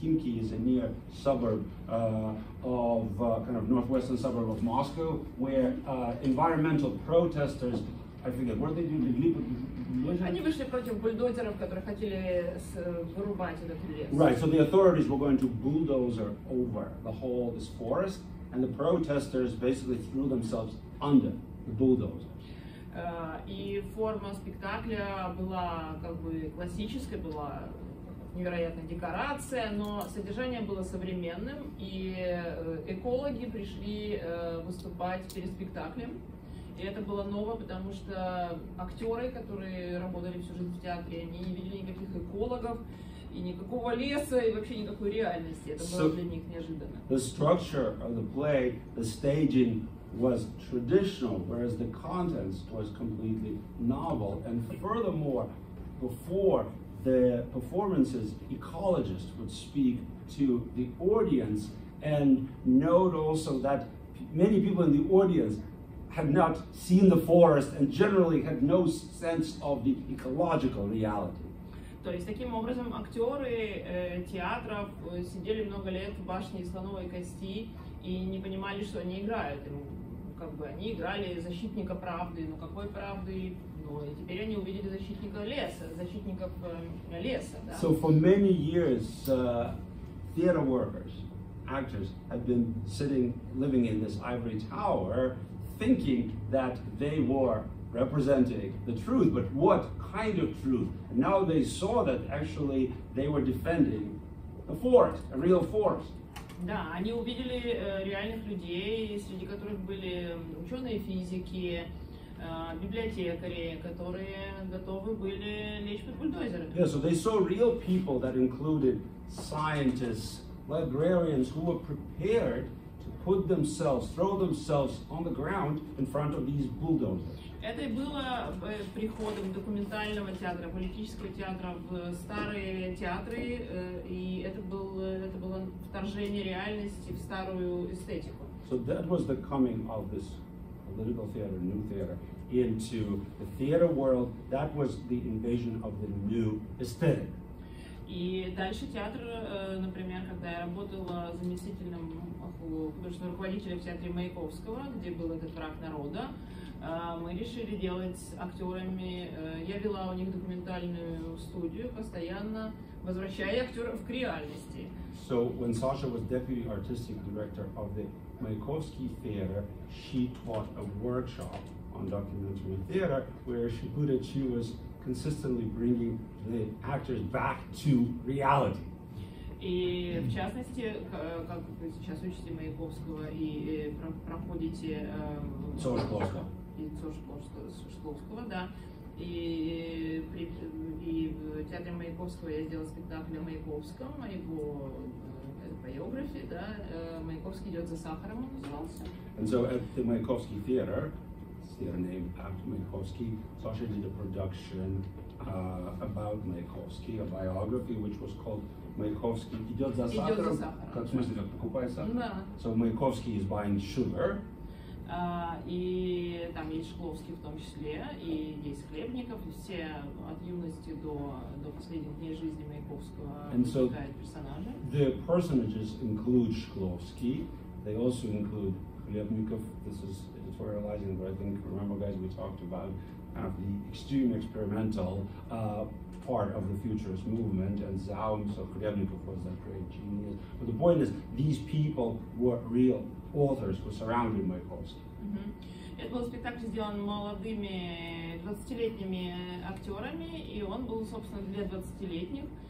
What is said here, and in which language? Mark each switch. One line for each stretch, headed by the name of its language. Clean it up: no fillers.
English: Khimki is a near suburb of kind of northwestern suburb of Moscow, where environmental protesters, I forget, what they do?
Russian: Они вышли против бульдозеров, которые хотели вырубать этот лес.
English: Right, so the authorities were going to bulldozer over the whole this forest, and the protesters basically threw themselves under the bulldozer.
Russian: И форма спектакля была как бы классической, была невероятная декорация, но содержание было современным, и экологи пришли выступать перед спектаклем. И это было ново, потому что актеры, которые работали всю жизнь в театре, они не видели никаких экологов, и никакого леса, и вообще никакой реальности. Это было для них неожиданно.
English: The structure of the play, the staging, was traditional, whereas the contents was completely novel. And furthermore, before the performances, ecologists would speak to the audience and note also that many people in the audience had not seen the forest and generally had no sense of the ecological reality.
Russian: То есть таким образом актеры театров сидели много лет в башне из слоновой кости и не понимали, что они играют. Как бы они играли защитника правды, но какой правды? Ну, и теперь они увидели защитников леса, да?
English: So for many years, theater workers, actors had been living in this ivory tower, thinking that they were representing the truth, but what kind of truth? And now they saw that actually they were defending a fort, a real fort.
Russian: Да, они увидели реальных людей, среди которых были ученые-физики, библиотекари, которые готовы были лечь под бульдозеры.
English: Yeah, so they saw real people that included scientists, librarians, who were prepared to put themselves, throw themselves on the ground in front of these bulldozers.
Russian: Это и было приходом документального театра, политического театра в старые театры, и это было вторжение реальности в старую эстетику.
English: So that was the coming of this political theater, new theater, into the theater world. That was the invasion of the new aesthetic.
Russian: И дальше театр, например, когда я работала заместителем художественного руководителя в театре Маяковского, где был этот враг народа, мы решили делать с актерами, я вела у них документальную студию, постоянно возвращая актеров к реальности.
English: So when Sasha was deputy artistic director of the Маяковский theater, she taught a workshop on documentary theater, where she put it, she was consistently bringing the actors back to reality.
Russian: И в частности, как вы сейчас учите Маяковского и проходите... Сошковского, да. И в театре Маяковского я сделала спектакль о Маяковском, о его биографии, да. Маяковский идет за сахаром, он назывался.
English: And so at the Маяковский theater, theater named after Маяковский, Sasha did a production about Маяковский, a biography which was called Маяковский
Russian: идет за сахаром. Как, в смысле, как покупает сахар? Да.
English: So Маяковский is buying sugar.
Russian: И там есть Шкловский в том числе, и есть Хлебников, и все от юности до последних дней жизни Маяковского возникают персонажи.
English: The personages include Шкловский, they also include Хлебников, this is editorializing, but I think, remember guys, we talked about the extreme experimental part of the futurist movement, and Zaum, so Хлебников was that great genius. But the point is, these people were real authors who surrounded Маяковский.
Russian: Это был спектакль, сделан молодыми 20-летними актерами, и он был, собственно, для 20-летних.